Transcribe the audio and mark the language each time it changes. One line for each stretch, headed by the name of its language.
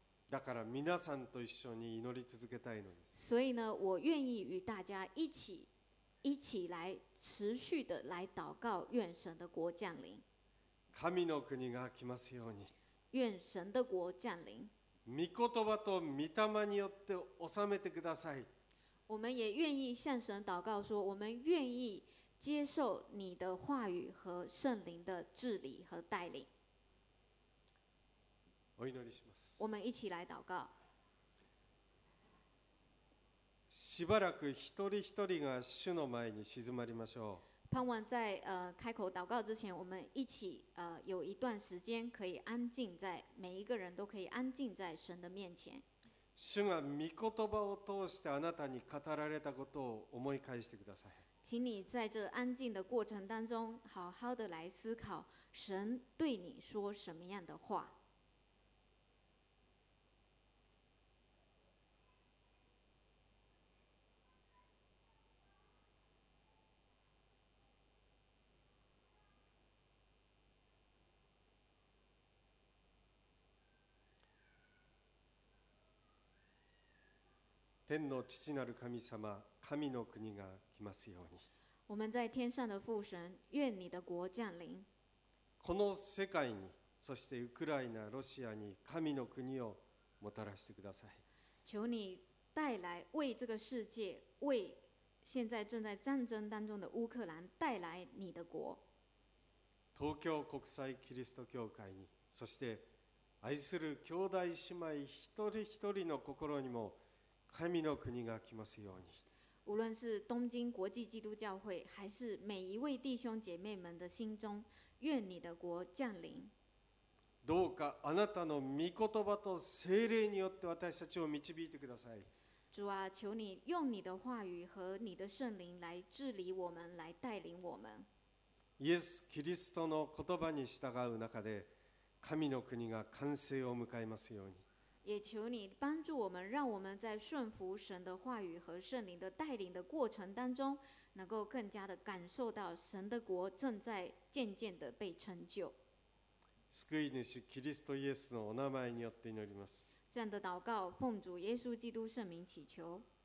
Japanese: だから皆さんと一緒に祈り続けたいのです。
Chinese: 所以呢，我愿意与大家一起来持续的来祷告，愿神的国降临。
Japanese: 神の国が来ますように。
Chinese: 愿神的国降临。
Japanese: 御言葉と御霊によって治めてください。
Chinese: 我们也愿意向神祷告说，我们愿意接受你的话语和圣灵的治理和带领。
Japanese: お祈りします。
Chinese: 我们一起来祷告。
Japanese: しばらく一人一人が主の前に静まりましょう。
Chinese: 盼望在开口祷告之前，我们一起有一段时间可以安静在每一个人都可以安静在神的面前。
Japanese: 主が御言葉を通してあなたに語られたことを思い返してください。
Chinese: 请你在这安静的过程当中，好好的来思考神对你说什么样的话。
Japanese: 天の父なる神様、神の国が来ますように。
Chinese: 我们在天上的父神，愿你的国降临。
Japanese: この世界に、そしてウクライナ、ロシアに神の国をもたらしてください。
Chinese: 求你带来为这个世界，为现在正在战争当中的乌克兰带来你的国。
Japanese: 東京国際キリスト教会に、そして愛する兄弟姉妹一人一人の心にも神の国が来ますように。
Chinese: 无论是东京国际基督教会，还是每一位弟兄姐妹们的心中，愿你的国降临。
Japanese: どうかあなたの御言葉と聖霊によって私たちを導いてください。
Chinese: 主啊，求你用你的话语和你的圣灵来治理我们，来带领我们。
Japanese: イエス・キリストの言葉に従う中で、神の国が完成を迎えますように。
Chinese: 也求你帮助我们，让我们在顺服神的话语和圣灵的带领的过程当中，能够更加的感受到神的国正在渐渐的被成就。
Japanese: 救い主キリストイエスのお名前によって祈ります。
Chinese: 这样的祷告，奉主耶稣基督圣名祈求。